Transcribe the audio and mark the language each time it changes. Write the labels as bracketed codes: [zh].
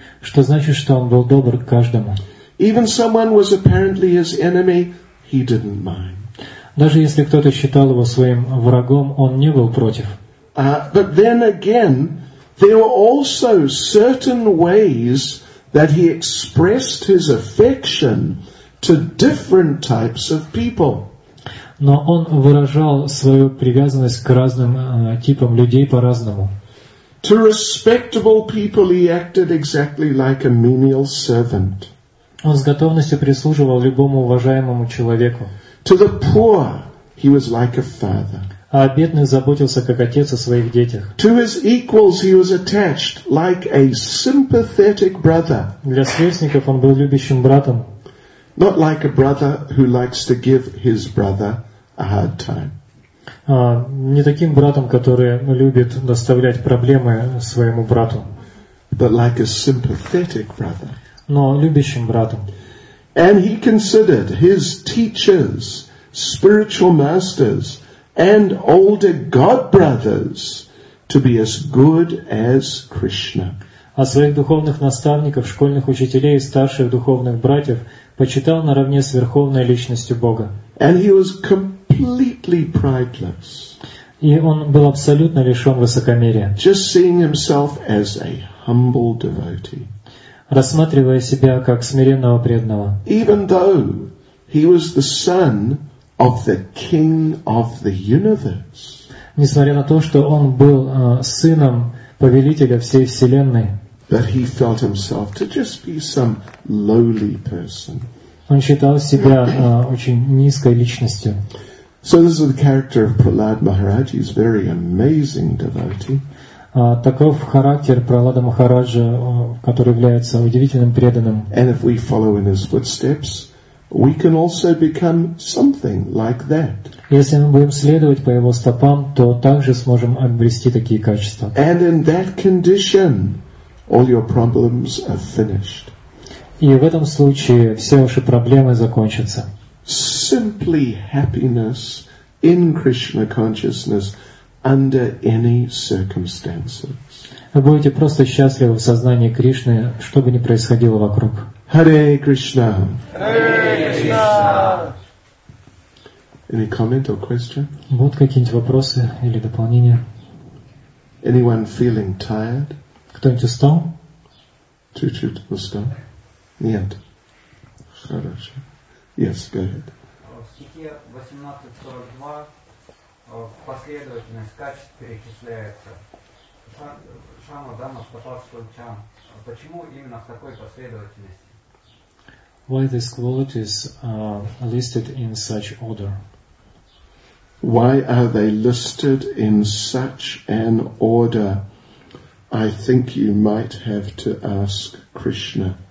[ru] Что значит, что он был добр к каждому. [en] Even someone was apparently his enemy, he didn't mind. [ru] Даже если кто-то считал его своим врагом, он не был против. [en] But then again, there were also certain ways that he expressed his affection to different types of people. [ru] Но он выражал свою привязанность к разным типам людей по-разному. [en] To respectable people he acted exactly like a menial servant. [ru] Он с готовностью прислуживал любому уважаемому человеку. [en] To the poor he was like a father. [ru] А о бедных заботился как отец о своих детях. [en] To his equals he was attached like a sympathetic brother. [ru] Для сверстников он был любящим братом. [en] Not like a brother who likes to give his brother a hard time. [ru] Не таким братом, который любит доставлять проблемы своему брату. [en] But like a sympathetic brother. [ru] Но любящим братом. [en] And he considered his teachers, spiritual masters, and older god brothers to be as good as Krishna. [ru] А своих духовных наставников, школьных учителей и старших духовных братьев почитал наравне с верховной личностью Бога. [en] And he was completely prideless. [ru] И он был абсолютно лишен высокомерия. [en] Just seeing himself as a humble devotee. [ru] Рассматривая себя как смиренного преданного. [en] Even though he was the son of the king of the universe. [ru] Несмотря на то, что он был сыном повелителя всей вселенной. [en] But he felt himself to just be some lowly person. [ru] Он считал себя очень низкой личностью. [en] So this is the character of Prahlad Maharaj. He's very amazing devotee. [ru] Таков характер Прахлада Махараджа, который является удивительным преданным. [en] And if we follow in his footsteps, we can also become something like that. [ru] Если мы будем следовать по его стопам, то также сможем обрести такие качества. [en] And in that condition, all your problems are finished. [ru] И в этом случае все ваши проблемы закончатся. [en] Simply happiness in Krishna consciousness under any circumstances. [ru] Вы будете просто счастливы в сознании Кришны, что бы ни происходило вокруг. [en] Hare Krishna. [ru] Hare Krishna. [en] Any comment or question? [ru] Вот какие-нибудь вопросы или дополнения? [en] Anyone feeling tired? [ru] Кто-нибудь устал? Чуть-чуть устал. Нет. Хорошо. [en] Yes, go ahead. [ru] В стихе 18:42 последовательность качеств перечисляется. Шама дама спасал чан. Почему именно в такой последовательности? [en] Why these qualities are listed in such order? Why are they listed in such an order? I think you might have to ask Krishna.